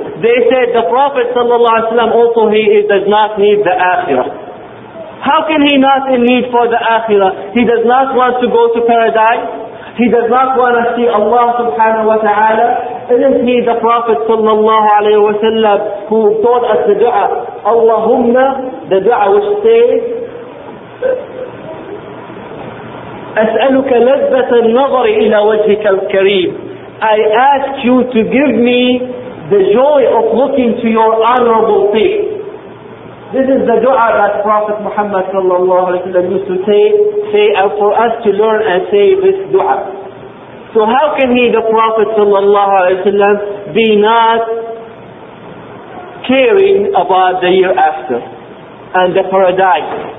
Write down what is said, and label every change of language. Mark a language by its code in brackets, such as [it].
[en] They said the Prophet sallallahu alayhi wa sallam also he does not need the akhirah. How can he not in need for the akhirah? He does not want to go to paradise. He does not want to see Allah subhanahu wa ta'ala. Isn't he the Prophet sallallahu alayhi wa sallam who taught us the dua? [ar] Allahumma, [en] the dua which says, [ar] أسألك لذة النظر إلى وجهك الكريم. [en] I ask you to give me the joy of looking to your honorable face. This is the dua that Prophet Muhammad sallallahu alaihi wasallam used to say, and for us to learn and say this dua. So how can he, the Prophet sallallahu alaihi wasallam, be not caring about the year after and the paradise?